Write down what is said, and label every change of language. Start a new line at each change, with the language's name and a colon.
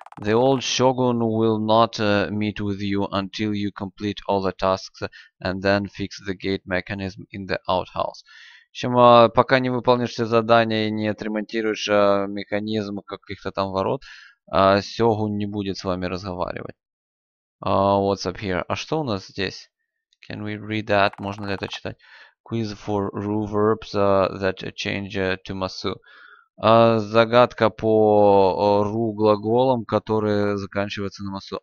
English: The old shogun will not meet with you until you complete all the tasks and then fix the gate mechanism in the outhouse.
Russian: В общем, пока не выполнишь все задания и не отремонтируешь механизм каких-то там ворот, Сёгун не будет с вами разговаривать.
English: What's up here?
Russian: А что у нас здесь?
English: Can we read that?
Russian: Можно ли это читать?
English: Quiz for root verbs that change to masu.
Russian: Загадка по root глаголам, которые заканчиваются на masu.